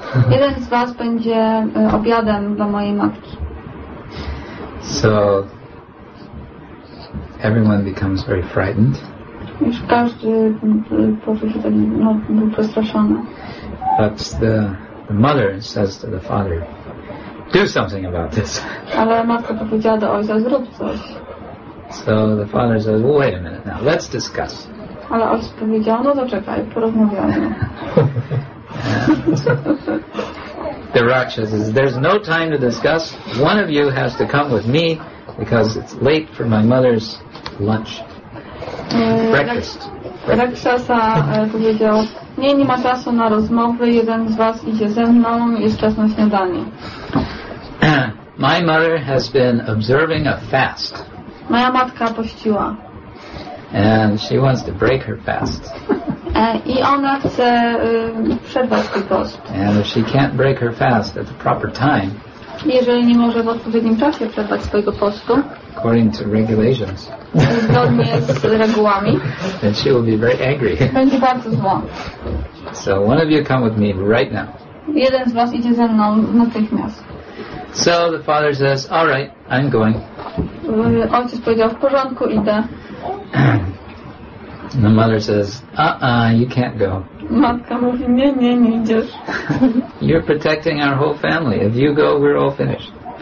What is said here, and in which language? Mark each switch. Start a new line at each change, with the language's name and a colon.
Polish: Jeden z was będzie obiadem dla mojej matki.
English: So everyone becomes very frightened.
Polish: Już każdy poczuł się tak, no, był przestraszony.
English: But the mother says to the father, do something about this.
Polish: Ale matka powiedziała do ojca, zrób coś.
English: So the father says, well, wait a minute now, let's discuss.
Polish: Ale ojciec powiedział, no zaczekaj, porozmawiamy.
English: The Raksha says, there's no time to discuss. One of you has to come with me because it's late for my mother's lunch. Breakfast.
Polish: Raksasa powiedział, nie ma czasu na rozmowy, jeden z was idzie ze mną, jest czas na śniadanie.
English: My mother has been observing a fast.
Polish: Moja matka pościła.
English: And she wants to break her fast.
Polish: I ona chce przerwać swój post.
English: And if she can't break her fast at the proper time,
Polish: jeżeli nie może w odpowiednim czasie przerwać swojego postu,
English: according to regulations,
Polish: zgodnie z regułami,
English: then she will be very angry.
Polish: Będzie bardzo zła.
English: So one of you come with me right now.
Polish: Jeden z was idzie ze mną natychmiast.
English: So the father says, all right, I'm going.
Polish: Ojciec powiedział, w porządku, idę.
English: The mother says, you can't go.
Polish: Matka mówi, nie idziesz.
English: You're protecting our whole family. If you go, we're all finished.